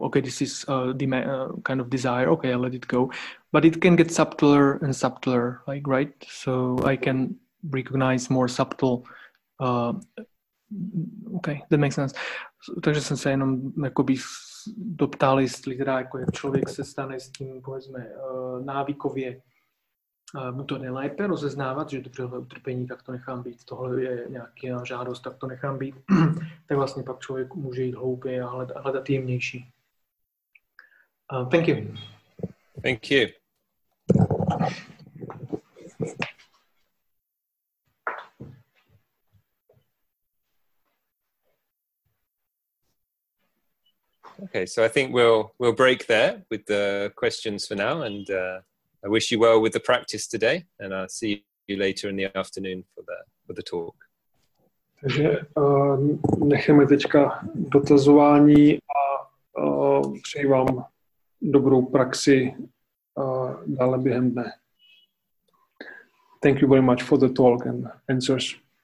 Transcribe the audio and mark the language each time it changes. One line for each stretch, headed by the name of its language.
English: Okay, this is kind of desire, okay, I let it go. But it can get subtler and subtler, like, right? So I can recognize more subtle, okay, that makes sense.
Czech: Takže jsem se jenom jakoby doptal, jestli teda jako je člověk se stane s tím, povedzme, návykově mu to nejlépe rozeznávat, že tohle utrpení, tak to nechám být, tohle je nějaký žádost, tak to nechám být, tak vlastně pak člověk může jít hloubě a hledat jemnější.
English: Thank you. Thank you. Okay, so I think we'll break there with the questions for now, and I wish you well with the practice today, and I'll see you later in the afternoon for the talk.
Czech: Takže necháme teďka dotazování a přeji vám dobrou praxi dále během dne.
English: Thank you very much for the talk and answers.